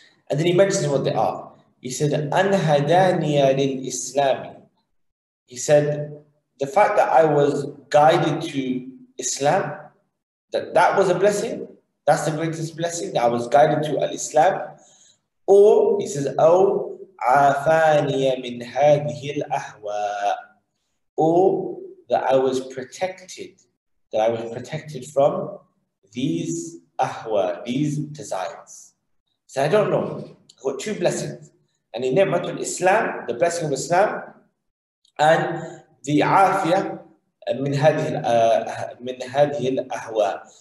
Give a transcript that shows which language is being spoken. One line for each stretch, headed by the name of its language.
English: And then he mentions what they are. He said, anhadaniya lil Islam. He said, the fact that I was guided to Islam, that was a blessing. That's the greatest blessing, that I was guided to al-Islam. Or, he says,
Arabic: أو عافاني من هذه الأهواء.
English: Or, that I was protected. That I was protected from these أهواء, these desires. So I don't know. I've got two blessings. And in ni'mat al-Islam, the blessing of Islam, and the
Arabic: عافية من هذه الأهواء.